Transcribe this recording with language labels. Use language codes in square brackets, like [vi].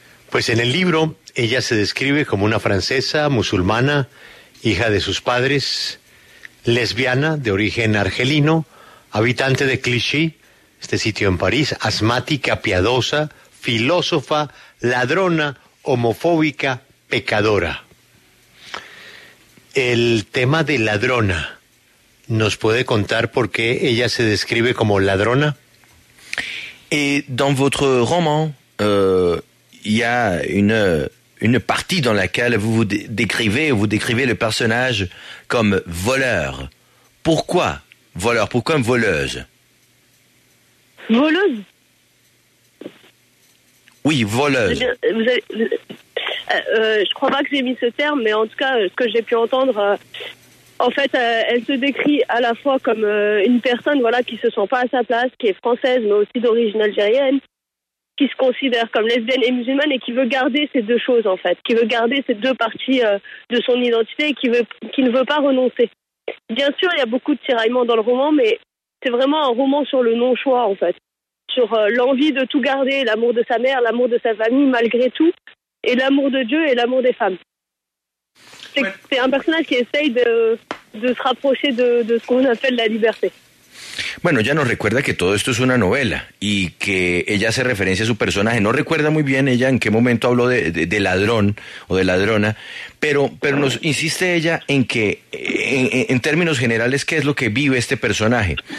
[es] Pues en el libro, ella se describe como una francesa musulmana, hija de sus padres, lesbiana, de origen argelino, habitante de Clichy, este sitio en París, asmática, piadosa, filósofa, ladrona, homofóbica, pecadora. El tema de ladrona, ¿nos puede contar por qué ella se describe como ladrona? [fr] Dans votre roman, il y a une partie dans laquelle vous décrivez le personnage comme voleur. Pourquoi voleur? Pourquoi une voleuse? Voleuse? Oui, voleuse. Je crois pas que j'ai mis ce terme, mais en tout cas, ce que j'ai pu entendre, elle se décrit à la fois comme une personne qui se sent pas à sa place, qui est française, mais aussi d'origine algérienne, qui se considère comme lesbienne et musulmane et qui veut garder ces deux choses, en fait, qui veut garder ces deux parties de son identité et qui ne veut pas renoncer. Bien sûr, il y a beaucoup de tiraillements dans le roman, mais c'est vraiment un roman sur le non-choix, en fait, sur l'envie de tout garder, l'amour de sa mère, l'amour de sa famille, malgré tout, et l'amour de Dieu et l'amour des femmes. C'est un personnage qui essaye de se rapprocher de ce qu'on appelle la liberté. [es] Bueno, ella nos recuerda que todo esto es una novela y que ella hace referencia a su personaje. No recuerda muy bien ella en qué momento habló de ladrón o de ladrona, pero nos insiste ella en que, en términos generales, ¿qué es lo que vive este personaje?